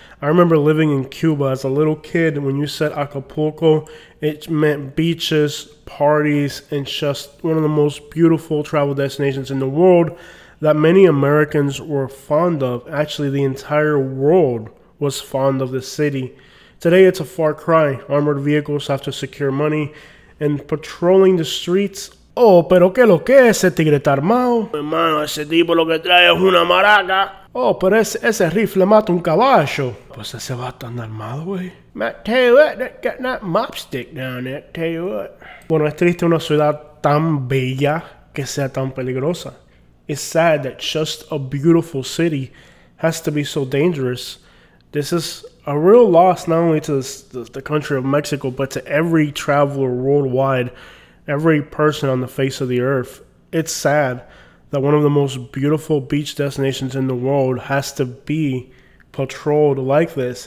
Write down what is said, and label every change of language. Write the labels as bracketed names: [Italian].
[English] I remember living in Cuba as a little kid, and when you said Acapulco, it meant beaches, parties, and just one of the most beautiful travel destinations in the world that many Americans were fond of. Actually, the entire world was fond of the city. Today, it's a far cry. Armored vehicles have to secure money, and patrolling the streets. [Spanish] Oh, pero que lo que es ese tigre está armado. Hermano, ese tipo lo que trae es una maraca. Oh, pero ese rifle mata un caballo. Pues ese va tan armado, güey. [English] Matt, tell you what, that got that mop stick down there, tell you what. [Spanish] Bueno, es triste una ciudad tan bella que sea tan peligrosa. [English] It's sad that just a beautiful city has to be so dangerous. This is a real loss not only to the country of Mexico, but to every traveler worldwide. Every person on the face of the earth. It's sad that one of the most beautiful beach destinations in the world has to be patrolled like this.